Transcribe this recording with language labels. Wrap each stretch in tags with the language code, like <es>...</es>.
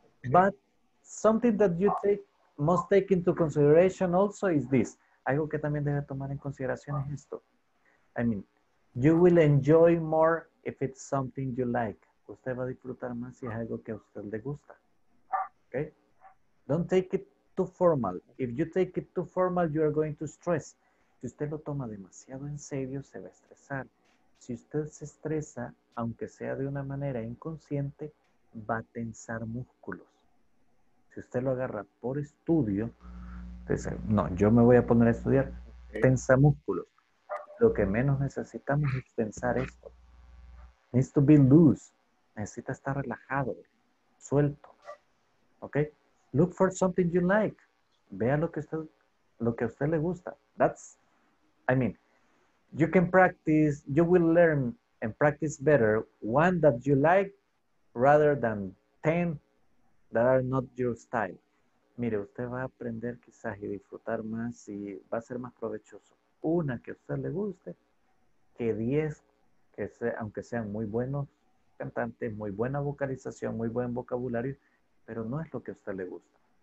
<en>But something that you must take into consideration also is this.</en> <es>Algo que también debe tomar en consideración es esto.</es> <en>I mean, you will enjoy more if it's something you like.</en> <es>Usted va a disfrutar más si es algo que a usted le gusta.</es> <en>Okay? Don't take it too formal. If you take it too formal, you are going to stress.</en> <es>Si usted lo toma demasiado en serio, se va a estresar. Si usted se estresa, aunque sea de una manera inconsciente, va a tensar músculos. Si usted lo agarra por estudio, dice, no, yo me voy a poner a estudiar, tensa músculos. Lo que menos necesitamos es tensar esto.</es> <en>Needs to be loose.</en> <es>Necesita estar relajado, suelto. ¿Ok?</es> <en>Look for something you like.</en> <es>Vea lo que a usted le gusta.</es> <en>That's, I mean, you can practice, you will learn and practice better one that you like rather than 10 that are not your style.</en> <es>Mire, usted va a aprender quizás y disfrutar más y va a ser más provechoso una que a usted le guste que 10 que sea, aunque sean muy buenos cantantes, muy buena vocalización, muy buen vocabulario, pero no es lo que a usted le gusta.</es>